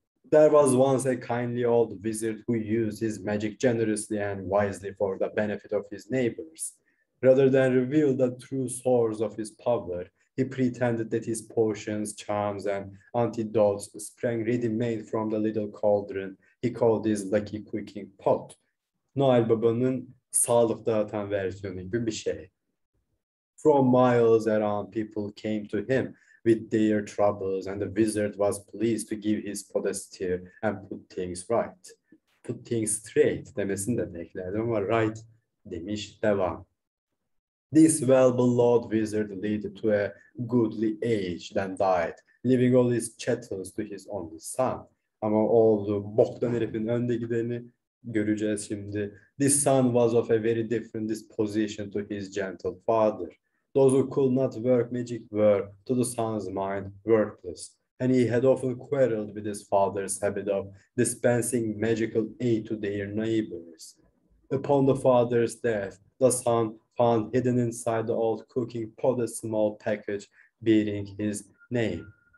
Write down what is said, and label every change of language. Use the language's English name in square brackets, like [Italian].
[English] There was once a kindly old wizard who used his magic generously and wisely for the benefit of his neighbors. Rather than reveal the true source of his power, he pretended that his potions, charms, and antidotes sprang ready-made from the little cauldron he called his lucky cooking pot. [Turkish] Noel Baba'nın sağlık dağıtan versiyonu gibi bir şey. [English] From miles around, people came to him with their troubles, and the wizard was pleased to give his pot a stir and put things right. Put things straight [Turkish] demesini de beklerdim ama right demiş, devam. [English] This well-beloved wizard lived to a goodly age, then died, leaving all his chattels to his only son. [Turkish] Ama oğlu boktan herifin önde gideni göreceğiz şimdi. [English] This son was of a very different disposition to his gentle father. Those who could not work magic were, to the son's mind, worthless. And he had often quarreled with his father's habit of dispensing magical aid to their neighbors. Upon the father's death, the son found hidden inside the old cooking pot a small package bearing his name.